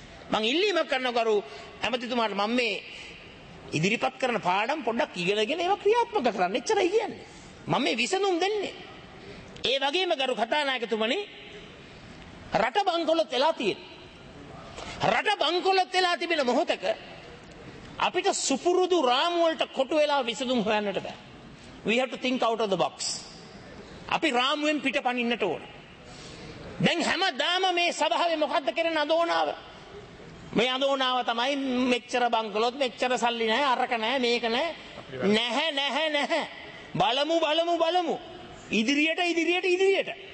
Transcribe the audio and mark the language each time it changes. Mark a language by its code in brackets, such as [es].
[si] මං ඉල්ලීමක් කරනවා ගරු ඇමතිතුමාට, මම මේ ඉදිරිපත් කරන පාඩම් පොඩ්ඩක් ඉගෙනගෙන ඒවා ක්‍රියාත්මක කරන්න. එච්චරයි කියන්නේ. මම මේ විසඳුම් දෙන්නේ. ඒ වගේම ගරු කතානායකතුමනි, රට බංකොලොත් වෙලා තියෙන, රට බංකොලොත් වෙලා තිබෙන මොහොතක අපිට සුපුරුදු රාමු වලට කොටු වෙලා විසඳුම් හොයන්නට බෑ. [en] We have to think out of the box. [si] අපි රාමුවෙන් පිටපණින්නට ඕන. දැන් හැමදාම මේ සභාවේ මොකද්ද කරන අදෝනාව? මේ අදෝනාව තමයි මෙච්චර බංකොලොත් මෙච්චර සල්ලි නැහැ, අරක නැහැ, මේක නැහැ. නැහැ නැහැ නැහැ. බලමු බලමු බලමු. ඉදිරියට ඉදිරියට ඉදිරියට.